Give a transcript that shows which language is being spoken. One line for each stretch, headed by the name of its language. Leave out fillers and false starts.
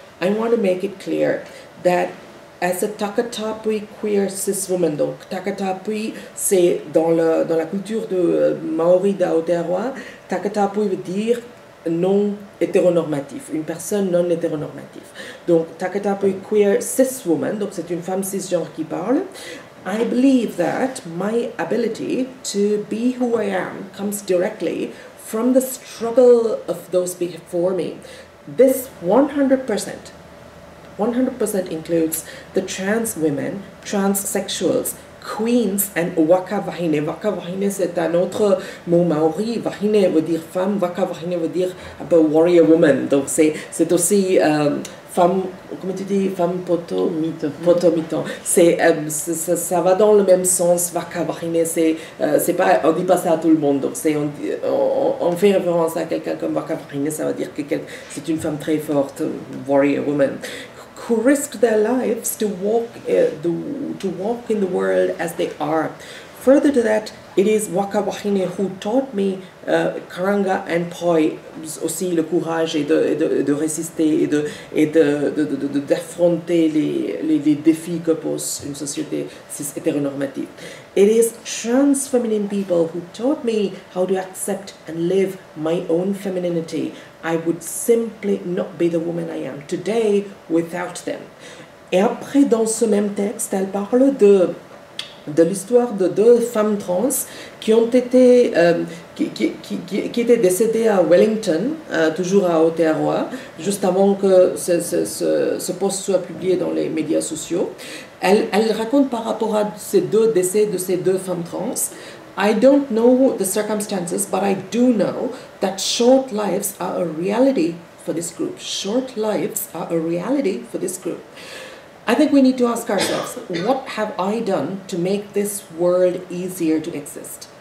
English: I want to make it clear that as a Takatapui queer cis woman,
French: donc Takatapui, c'est dans la culture de Maori d'Aotearoa, Takatapui veut dire non hétéronormatif, une personne non hétéronormative. Donc Takatapui
English: queer cis woman,
French: donc c'est une femme cisgenre qui parle.
English: I believe that my ability to be who I am comes directly from the struggle of those before me. This 100%. 100% includes the trans women, transsexuals, queens and waka vahine.
French: Waka vahine, c'est un autre mot maori. Vahine veut dire femme, waka vahine veut dire
English: about warrior woman.
French: Donc c'est aussi femme, comment tu dis, femme potomiton. Ça va dans le même sens, waka vahine, c'est pas, on dit pas ça à tout le monde. Donc on fait référence à quelqu'un comme waka vahine, ça veut dire que c'est une femme très forte,
English: warrior woman. Who risk their lives to walk in the world as they are. Further to that, it is Waka Wahine who taught me karanga and poi,
French: aussi le courage et de résister et de d'affronter les défis que pose une société cis hétéronormative.
English: It is trans feminine people who taught me how to accept and live my own femininity. I would simply not be the woman I am today without them.
French: Et après, dans ce même texte, elle parle de l'histoire de deux femmes trans qui ont été qui étaient décédées à Wellington, toujours à Aotearoa, juste avant que ce post soit publié dans les médias sociaux. Elle raconte par rapport à ces deux décès de ces deux femmes trans.
English: I don't know the circumstances, but I do know that short lives are a reality for this group. Short lives are a reality for this group. I think we need to ask ourselves, what have I done to make this world easier to exist?